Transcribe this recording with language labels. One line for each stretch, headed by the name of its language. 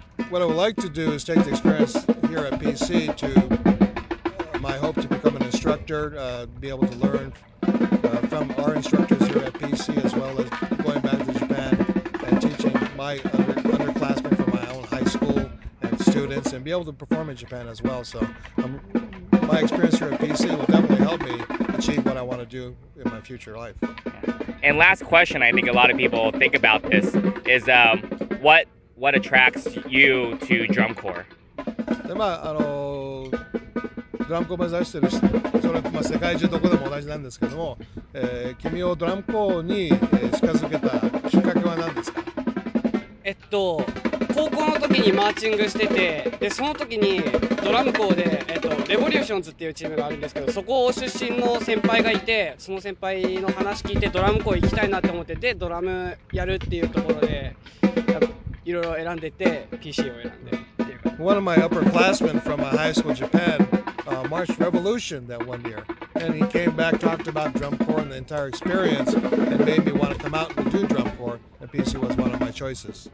English: What I would like to do is take the experience here at PC to my hope to become an instructor, be able to learn from our instructors here at PC as well as going back to Japan and teaching my underclassmen from my own high school and students and be able to perform in Japan as well. So my experience here at PC will definitely help me achieve what I want to do in my future life. And last question I think a lot of people think about this is What attracts you to drum corps?
Japanese: まあ、ドラムコを目指してる人、それは、まあ、世界中どこでも同じなんですけども、君をドラムコに近づけたきっかけは何ですか？高校の時にマーチングしてて、でその時にドラムコで、レボリューションズっていうチームがあるんですけど、そこを出身の先輩がいて、その先輩の話聞いてドラムコ行きたいなって思ってて、ドラムやるっていうところで、いろいろ選んでて PC を選んでっていう。
English: One of my upperclassmen from my high school Japan marched Revolution that one year, and he came back talked about drum corps and the entire experience, and made me want to come out and do drum corps. And PC was one of my choices.